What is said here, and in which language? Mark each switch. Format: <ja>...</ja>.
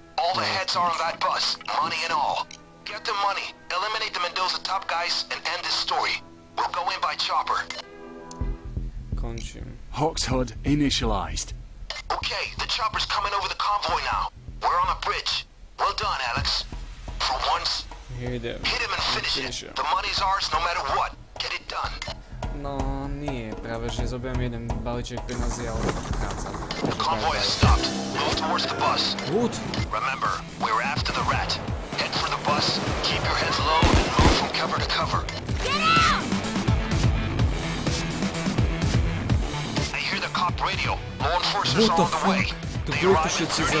<en>All the heads are on that bus, money and all. Get the money, eliminate the Mendoza top guys, and end this story. We'll go in by chopper.</en> <sk>Končím.</sk> <en>Hawkshood initialized. Okay, the chopper's coming over the convoy now. We're on a bridge. Well done, Alex. For once, hit him and finish it. The money's ours no matter what. Get it done.</en> <sk>No, nie, práve že zoberiem jeden balíček peniazy, ale to prichádza.</sk> <en>Convoy has stopped. Move towards the bus. Wood. Remember, we're after the rat. Head for the bus, keep your heads low, and move from cover to cover. Get out! radio. Law enforcement on the way. They arrive in 30</en>